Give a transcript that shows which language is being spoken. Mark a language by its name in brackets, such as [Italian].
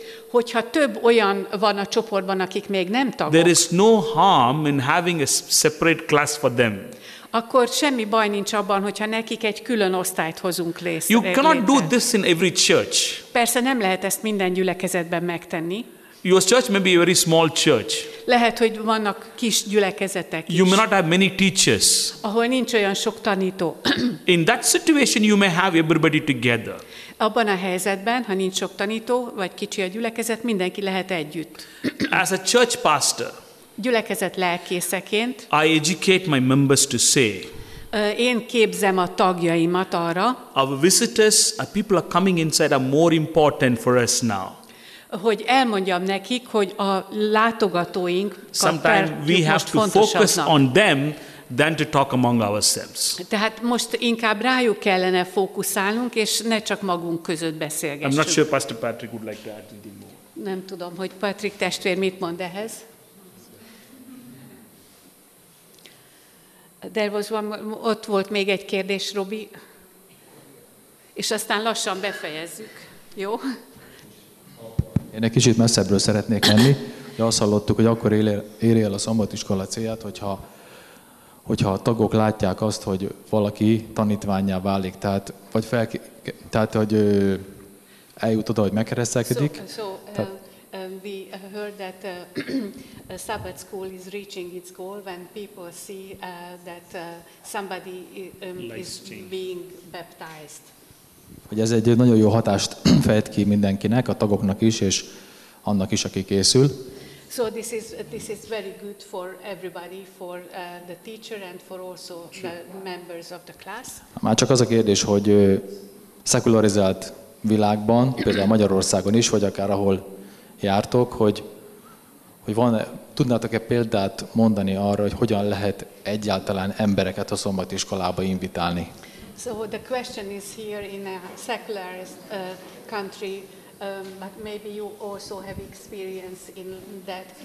[Hungarian] hogyha több olyan van a csoportban, akik még nem tagok, [English] there is no harm in having a separate class for them. [Hungarian] Akkor semmi baj nincs abban, hogyha nekik egy külön osztályt hozunk létre. [English] You cannot do this in every church. [Hungarian] Persze nem lehet ezt minden gyülekezetben megtenni. [English] Your church may be a very small church. [Hungarian] Lehet, hogy vannak kis gyülekezetek is. [English] You may not have many teachers. [Hungarian] Ahol nincs olyan sok tanító. [English] In that situation you may have everybody together. [Hungarian] Abban a helyzetben, ha nincs sok tanító, vagy kicsi a gyülekezet, mindenki lehet együtt. [English] As a church pastor, [Hungarian] gyülekezet lelkészeként, [English] I educate my members to say, [Hungarian] én képzem a tagjaimat arra, [English] our visitors, our people are coming inside are more important for us now. [Hungarian] Hogy elmondjam nekik, hogy a látogatóink [English] sometimes we have to focus on them than to talk among ourselves. [Hungarian] Tehát most inkább rájuk kellene fókuszálnunk, és ne csak magunk között beszélgessünk. [English] I'm not sure Pastor Patrick would like to add anything more. [Hungarian] Nem tudom, hogy Patrick testvér mit mond ehhez. [English] There was one, [Hungarian] ott volt még egy kérdés, Robi. És aztán lassan befejezzük. Jó? Én egy kicsit messzebbről szeretnék lenni, de azt hallottuk, hogy akkor éri el a szombatiskola célját, hogyha a tagok látják azt, hogy valaki tanítvánnyá válik, tehát hogy eljut oda, hogy megkeresztelkedik. [English] We heard that Sabbath school is reaching its goal when people see that somebody is being baptized. [Hungarian] Hogy ez egy nagyon jó hatást fejt ki mindenkinek, a tagoknak is, és annak is, aki készül. [English] So this is very good for everybody, for the teacher and for also the members of the class. [Hungarian] Már csak az a kérdés, hogy szekularizált világban, például Magyarországon is, vagy akár ahol jártok, hogy tudnátok-e példát mondani arra, hogy hogyan lehet egyáltalán embereket a szombatiskolába invitálni? [English] So the question is here in a secularist country, but maybe you also have experience in that.